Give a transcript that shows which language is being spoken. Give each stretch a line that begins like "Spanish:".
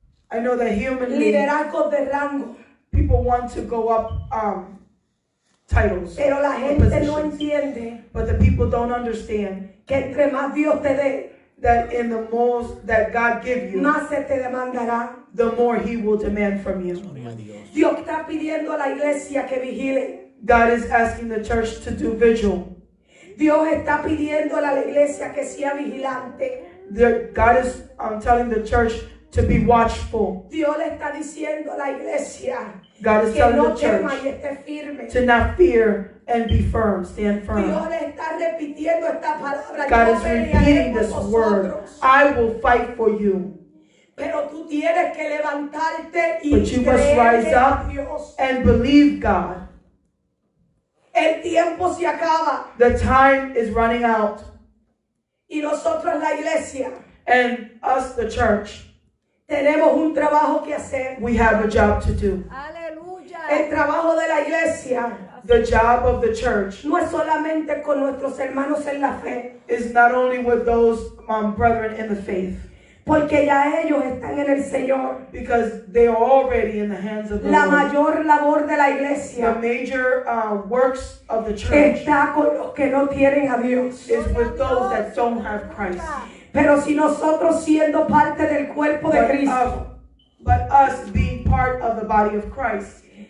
English: I know that humanly.
Spanish: Liderazgo de rango.
English: People want to go up titles.
Spanish: Pero la gente no entiende.
English: But the people don't understand.
Spanish: Que entre más Dios te dé.
English: That in the most that God give you.
Spanish: Más se te demandará.
English: The more he will demand from you.
Spanish: Dios está pidiendo a la iglesia que vigile.
English: God is asking the church to do vigil.
Spanish: Dios está pidiendo a la iglesia que sea vigilante.
English: God is, I'm telling the church to be watchful.
Spanish: Dios le está diciendo a la iglesia.
English: God is
Spanish: que
English: telling
Spanish: no
English: the church
Spanish: y esté firme.
English: To not fear and be firm, stand firm.
Spanish: Dios le está repitiendo esta palabra.
English: God is repeating this word. I will fight for you.
Spanish: Pero tú tienes que levantarte y
English: but you must rise up and believe God.
Spanish: El tiempo se acaba.
English: The time is running out.
Spanish: Y nosotros la iglesia.
English: And us the church.
Spanish: Tenemos un trabajo que hacer.
English: We have a job to do.
Spanish: Aleluya. El trabajo de la iglesia.
English: The job of the church.
Spanish: No es solamente con nuestros hermanos en la fe.
English: It's not only with those brethren in the faith.
Spanish: Porque ya ellos están en el Señor.
English: Because they are already in the hands of the
Spanish: la
English: Lord.
Spanish: La mayor labor de la iglesia.
English: The major works of the church.
Spanish: Está con los que no tienen a Dios.
English: Is with those that don't have Christ.
Spanish: Pero si nosotros siendo parte del cuerpo de Cristo.
English: But us being part of the body of Christ.